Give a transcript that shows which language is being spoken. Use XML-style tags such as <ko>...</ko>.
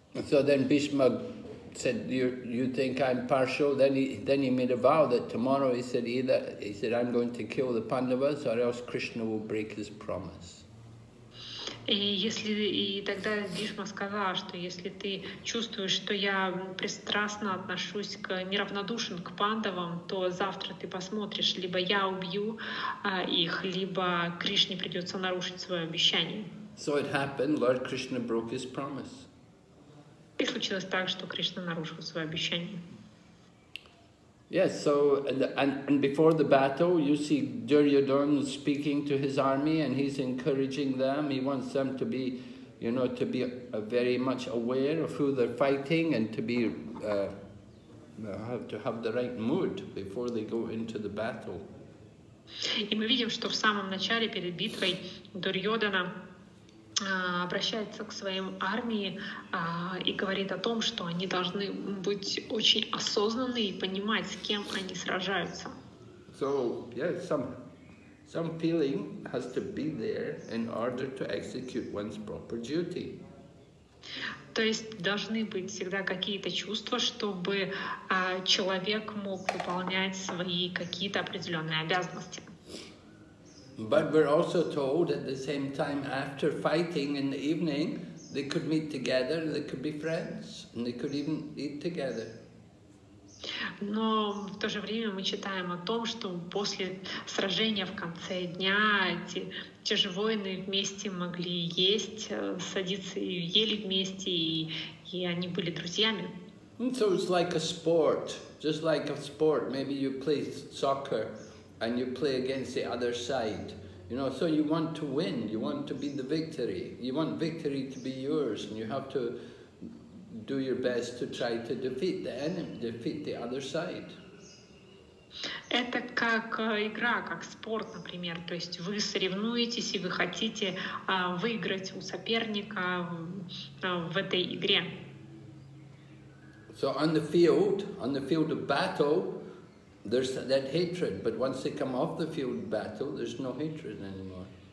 <en>So then Bhishma said, you think I'm partial? Then he made a vow that tomorrow he said I'm going to kill the Pandavas or else Krishna will break his promise.</en> <ru>И тогда Бишма сказала, что если ты чувствуешь, что я пристрастно отношусь к неравнодушен к пандавам, то завтра ты посмотришь, либо я убью их, либо Кришне придется нарушить свое обещание.</ru> <en>So it happened, Lord Krishna broke his promise.</en> <ru>И случилось так, что Кришна нарушил свое обещание.</ru> <en>Yes, so and before the battle, you see Duryodhana speaking to his army, and he's encouraging them. He wants them to be, you know, to be very much aware of who they're fighting, and to be have the right mood before they go into the battle.</en> <ru>И мы видим, что в самом начале перед битвой Дурьодхана обращается к своим армии и говорит о том, что они должны быть очень осознанны и понимать, с кем они сражаются.</ru> <en>So, yeah, some feeling has to be there in order to execute one's proper duty.</en> <ru>То есть должны быть всегда какие-то чувства, чтобы человек мог выполнять свои какие-то определенные обязанности.</ru> <en>But we're also told at the same time, after fighting in the evening, they could meet together, they could be friends, and they could even eat together.</en> <ru>Но в то же время мы читаем о том, что после сражения в конце дня те же воины вместе могли есть, садиться и ели вместе, и они были друзьями.</ru> <en>And so it's like a sport, just like a sport. Maybe you play soccer and you play against the other side, you know, so you want to win, you want to be the victory, you want victory to be yours, and you have to do your best to try to defeat the enemy, defeat the other side.</en> <ru>Это как игра, как спорт, например, то есть вы соревнуетесь и вы хотите выиграть у соперника в этой игре.</ru> <en>So on the field of battle, there's that hatred, but once they come off the field battle, there's no hatred anymore.</en>